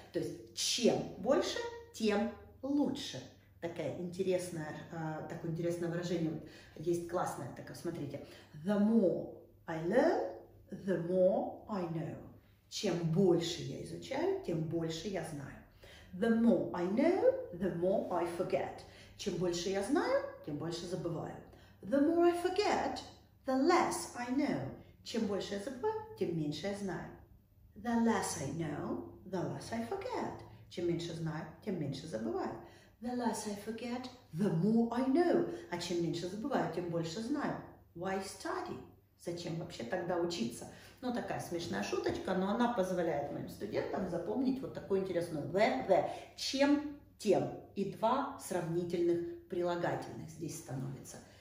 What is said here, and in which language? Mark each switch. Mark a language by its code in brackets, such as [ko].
[ru] То есть чем больше, тем лучше. Такое интересное, выражение. Есть классное такое, смотрите. [en] The more I learn, the more I know. [ru] Чем больше я изучаю, тем больше я знаю. [en] The more I know, the more I forget. [ru] Чем больше я знаю, тем больше забываю. [en] The more I forget, the less I know. [ru] Чем больше я забываю, тем меньше я знаю. [en] The less I know, the less I forget. [ru] Чем меньше знаю, тем меньше забываю. [en] The less I forget, the more I know. [ru] А чем меньше забываю, тем больше знаю. [en] Why study? [ru] Зачем вообще тогда учиться? Ну, такая смешная шуточка, но она позволяет моим студентам запомнить вот такую интересную the. Чем, тем. И два сравнительных прилагательных здесь становится.